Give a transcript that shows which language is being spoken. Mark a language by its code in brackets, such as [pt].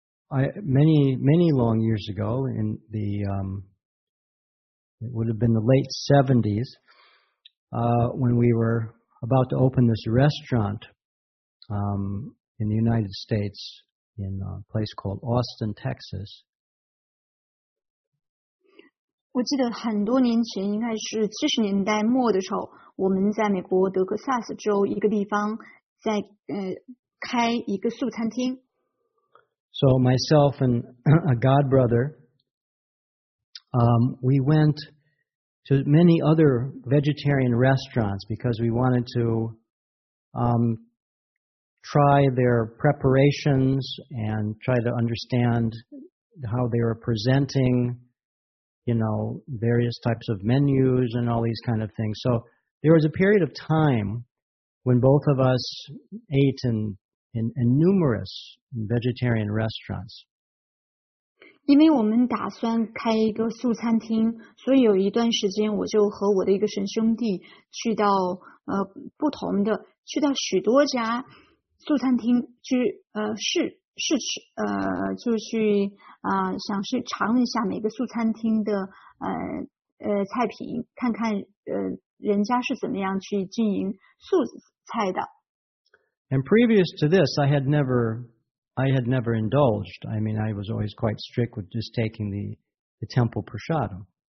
[en] Many long years ago, in the, it would have been the late 70s, when we were about to open this restaurant, in the United States, in a place called Austin, Texas, [zh] 我记得很多年前，应该是七十年代末的时候，我们在美国德克萨斯州一个地方在开一个素餐厅。 [en] So myself and a god brother, we went to many other vegetarian restaurants because we wanted to try their preparations and try to understand how they were presenting. You know, various types of menus and all these kind of things. So there was a period of time when both of us ate in numerous vegetarian restaurants. [zh] 因为我们打算开一个素餐厅，所以有一段时间我就和我的一个神兄弟去到不同的去到许多家素餐厅去试吃就去想去尝一下每个素餐厅的菜品看看人家是怎么样去经营素菜的。 [en] And previous to this, I had never indulged. I mean, I was always quite strict with just taking the temple prasadam.